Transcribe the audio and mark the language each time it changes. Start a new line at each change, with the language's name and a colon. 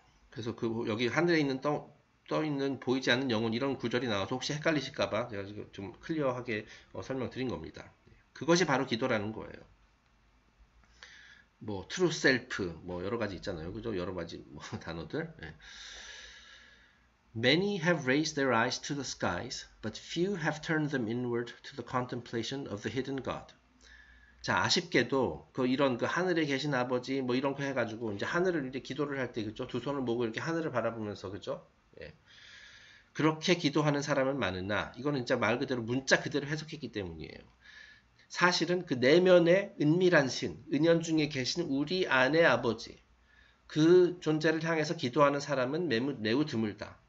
Korean: 그래서 여기 하늘에 있는 떠 있는 보이지 않는 영혼, 이런 구절이 나와서 혹시 헷갈리실까봐 제가 지금 좀 클리어하게 설명드린 겁니다. 그것이 바로 기도라는 거예요. 뭐 트루 셀프, 뭐 여러 가지 있잖아요, 그죠? 여러 가지 뭐 단어들. 네.
English: Many have raised their eyes to the skies, but few have turned them inward to the contemplation of the hidden God.
Korean: 자, 아쉽게도 이런 하늘에 계신 아버지 뭐 이런 거 해가지고 이제 하늘을 이제 기도를 할때 그죠? 두 손을 모으고 이렇게 하늘을 바라보면서 그죠? 예. 그렇게 기도하는 사람은 많으나, 이거는 진짜 말 그대로 문자 그대로 해석했기 때문이에요. 사실은 그 내면의 은밀한 신, 은연 중에 계신 우리 안의 아버지, 그 존재를 향해서 기도하는 사람은 매우 드물다.